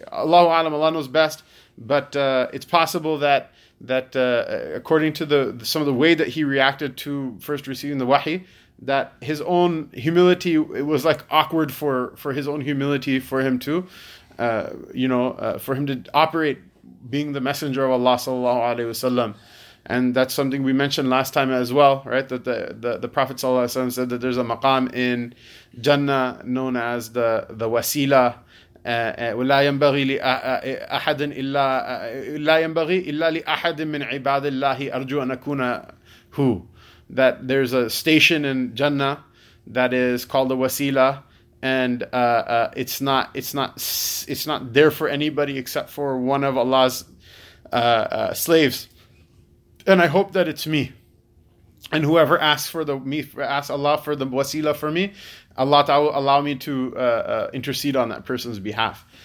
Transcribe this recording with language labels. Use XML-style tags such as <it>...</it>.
<en>Allahu alam, Allah knows best. But it's possible that according to some of the way that he reacted to first receiving the wahi, that his own humility, it was like awkward for his own humility for him to, for him to operate being the messenger of Allah sallallahu alayhi wa sallam. And that's something we mentioned last time as well, right? That the Prophet sallallahu alayhi wa sallam said that there's a maqam in Jannah known as the wasila.</en> <ar>ولا ينبغي لأحد إلا لا ينبغي إلا لأحد من عباد الله أرجو أن أكون هو.</ar> <en>That there's a station in Jannah that is called the Wasila, and it's not there for anybody except for one of Allah's slaves, and I hope that it's me. And whoever asks Allah for the Wasila for me, Allah Ta'ala will allow me to intercede on that person's behalf.</en>